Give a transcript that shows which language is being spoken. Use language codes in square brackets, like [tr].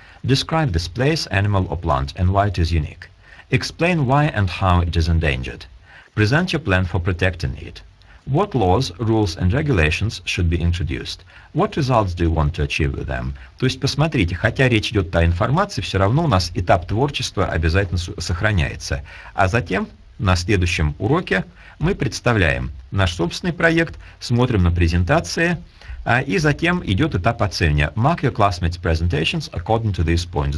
[en] Describe this place, animal or plant, and why it is unique. Explain why and how it is endangered. Present your plan for protecting it. What laws, rules and regulations should be introduced? What results do you want to achieve with them? [ru] То есть, посмотрите, хотя речь идет о информации, все равно у нас этап творчества обязательно сохраняется. А затем, на следующем уроке, мы представляем наш собственный проект, смотрим на презентации, и затем идет этап оценивания. [en] Mark your classmates' presentations according to these points.